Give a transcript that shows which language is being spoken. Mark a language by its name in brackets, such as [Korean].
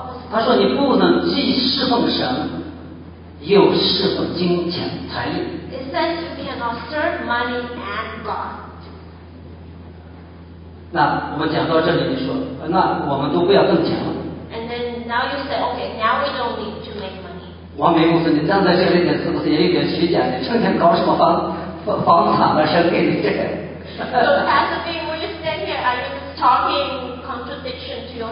[Chinese] 他说你不能既侍奉神，又侍奉金钱财力。 [English] It says you cannot serve money and God. [Chinese] 那我们讲到这里，你说那我们都不要挣钱了。 [English] And then now you say, okay, now we don't need to make money. [Chinese] 王明牧师，你站在这里点是不是也有点虚假？你成天搞什么房产的事给你这？ [English] So Pastor Bing, when you stand here, are you talking contradiction to your